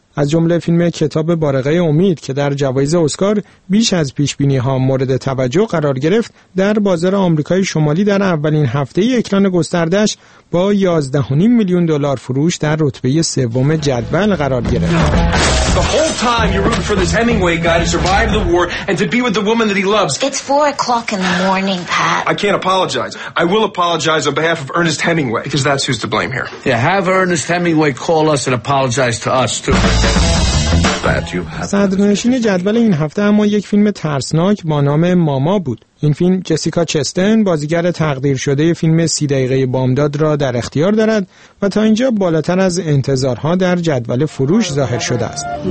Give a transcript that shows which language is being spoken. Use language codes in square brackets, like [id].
[fa] از جمله فیلم کتاب بارقه امید که در جوایز اسکار بیش از پیشبینی ها مورد توجه قرار گرفت، در بازار آمریکای شمالی در اولین هفته اکران گستردش با 11.5 میلیون دلار فروش در رتبه سوم جدول قرار گرفت. [en] The whole time you're rooting for this Hemingway guy to survive the war and to be with the woman that he loves. It's 4:00 in the morning, Pat. I can't apologize. I will apologize on behalf of Ernest Hemingway because that's who's to blame here. Yeah, have Ernest Hemingway call us and apologize to us too. [fa] صدرنشین جدول این هفته اما یک فیلم ترسناک با نام ماما بود. این فیلم جسیکا چستن، بازیگر تقدیر شده فیلم 30 دقیقه بامداد را در اختیار دارد و تا اینجا بالاتر از انتظارها در جدول فروش ظاهر شده است.